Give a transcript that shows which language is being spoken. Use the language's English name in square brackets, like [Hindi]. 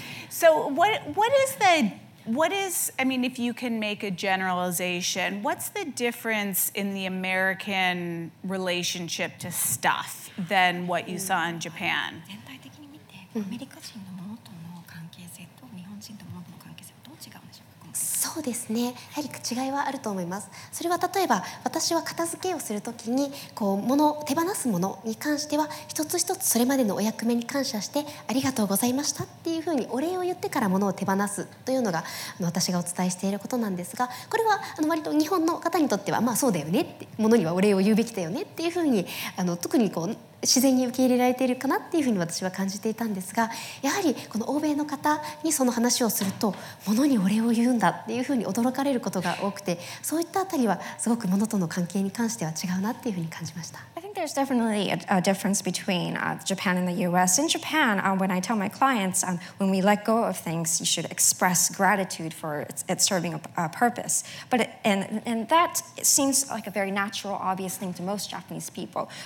[English] So what is, I mean, if you can make a generalization, what's the difference in the American relationship to stuff than what you saw in Japan? [Japanese] 全体的に見て、アメリカ人のものとの関係性と日本人とものとの関係性はどう違うんでしょうか？そうですね。やはり違いはあると思います。それは例えば、私は片付けをするときに、こう、物、手放すものに関しては、一つ一つそれまでのお役目に感謝して、ありがとうございましたっていうふうにお礼を言ってから物を手放すというのが、私がお伝えしていることなんですが、これは、割と日本の方にとっては、まあそうだよねって、物にはお礼を言うべきだよねっていうふうに、特にこう、自然に受け入れられているかなっていうふうに私は感じていたんですが、やはりこの欧米の方にその話をすると物にお礼を言うんだっていうふうに驚かれることが多くて、そういったあたりはすごく物との関係に関しては違うなっていうふうに感じました。 [English] I think there's definitely a difference between Japan and the US. In Japan, when I tell my clients, when we let go of things, you should express gratitude for it serving a purpose. But and that seems like a very natural, obvious thing to most Japanese people.